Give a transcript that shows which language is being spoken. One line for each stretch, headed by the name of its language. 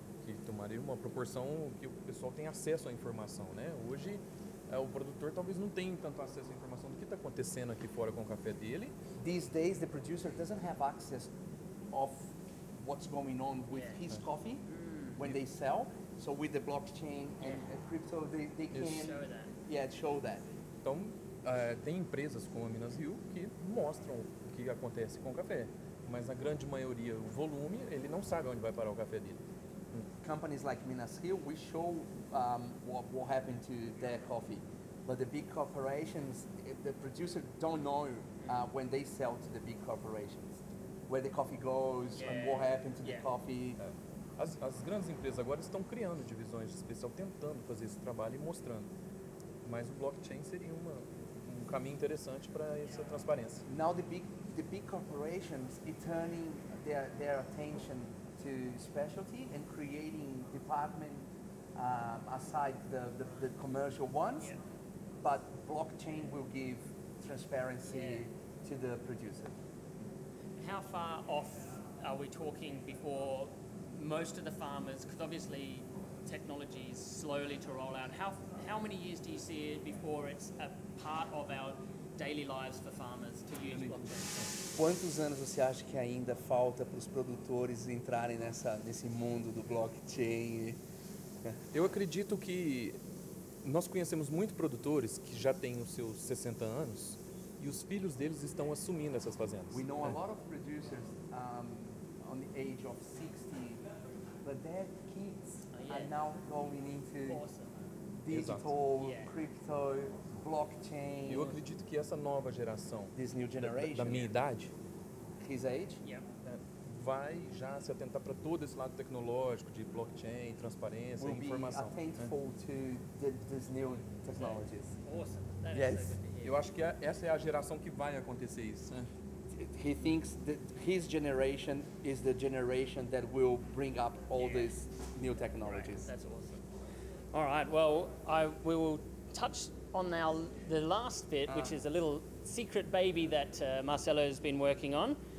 Portuguese: Que tomaria uma proporção que o pessoal tem acesso à informação, né? Hoje, o produtor talvez não tenha tanto acesso à informação do que está acontecendo aqui fora com o café dele.
English: These days, the producer doesn't have access of what's going on with his coffee when they sell. So with the blockchain and crypto, they can show that. Yeah, show that.
Portuguese: Então, tem empresas como a Minas Rio que mostram o que acontece com o café, mas a grande maioria, o volume, ele não sabe onde vai parar o café dele.
English: Companies like Minas Rio, we show what happened to their coffee, but the big corporations, the producer don't know when they sell to the big corporations, where the coffee goes and what happened to the coffee.
Portuguese: As grandes empresas agora estão criando divisões de especial, tentando fazer esse trabalho e mostrando, mas o blockchain seria uma caminho interessante para essa transparência.
English: Now the big corporations are turning their attention to specialty and creating department aside the commercial ones. Yeah. But blockchain will give transparency to the producer. How far off are we talking before most of the farmers, because obviously technology is slowly to roll out, how many years do you see it before it's a part of our daily lives for farmers to use blockchain?
Portuguese: Quantos anos você acha que ainda falta para os produtores entrarem nesse mundo do blockchain? Eu acredito que nós conhecemos muitos produtores que já têm os seus 60 anos e os filhos deles estão assumindo essas fazendas.
English: We know a lot of producers on the age of 60, but their kids are now going into digital, crypto, blockchain.
Portuguese: Eu acredito que essa nova geração,
English: this new generation,
Portuguese: da minha idade,
English: his age,
Portuguese: vai já se atentar para todo esse lado tecnológico de blockchain, transparência,
English: will
Portuguese: informação.
English: Be attentful to this new technologies. Awesome. That is so good to hear.
Portuguese: Eu acho que essa é a geração que vai acontecer isso.
English: He thinks that his generation is the generation that will bring up all these new technologies. Right. That's awesome. All right. Well, we will touch on now the last bit, which is a little secret baby that Marcelo has been working on.